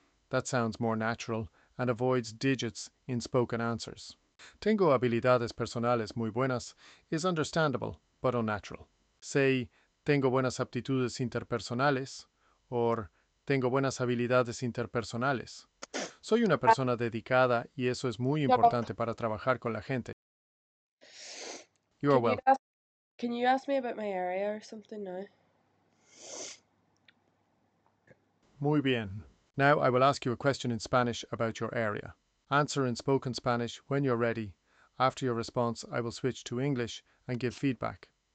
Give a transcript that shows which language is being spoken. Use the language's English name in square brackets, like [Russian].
[English] That sounds more natural and avoids digits in spoken answers. [Spanish] Tengo habilidades personales muy buenas [English] is understandable, but unnatural. [Spanish] Say, tengo buenas aptitudes interpersonales, or tengo buenas habilidades interpersonales. Soy una persona dedicada y eso es muy importante para trabajar con la gente. [English] You are welcome. Can you ask me about my area or something now? [Spanish] Muy bien. [English] Now I will ask you a question in Spanish about your area. Answer in spoken Spanish when you're ready. After your response, I will switch to English and give feedback.